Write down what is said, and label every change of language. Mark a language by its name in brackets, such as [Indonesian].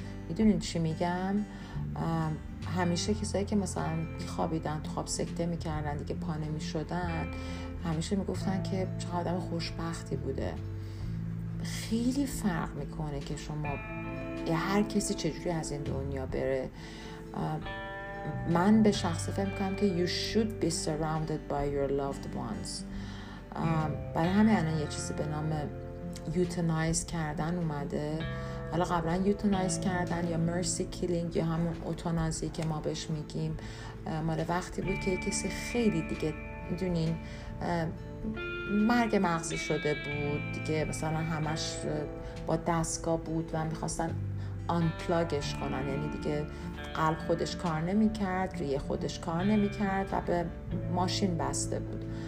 [Persian] میدونین چی میگم؟ همیشه کسایی که مثلا خوابیدن، تو خواب سکته میکردن، دیگه پا نمیشدن، همیشه میگفتن که چه آدم خوشبختی بوده. خیلی فرق میکنه که شما، یه هر کسی چجوری از این دنیا بره. من به شخصه فهم کنم که [English] you should be surrounded by your loved ones. [Persian] برای همه الان یه چیزی به نام یوتنایز کردن اومده. حالا قبلا یوتنایز کردن یا مرسی کیلینگ یا همون اوتانازی که ما بهش میگیم، مال وقتی بود که کسی خیلی دیگه میدونین مرگ مغزی شده بود دیگه، مثلا همش با دستگاه بود و میخواستن آنپلاگش کنن، یعنی دیگه قلب خودش کار نمیکرد، ریه خودش کار نمیکرد و به ماشین بسته بود.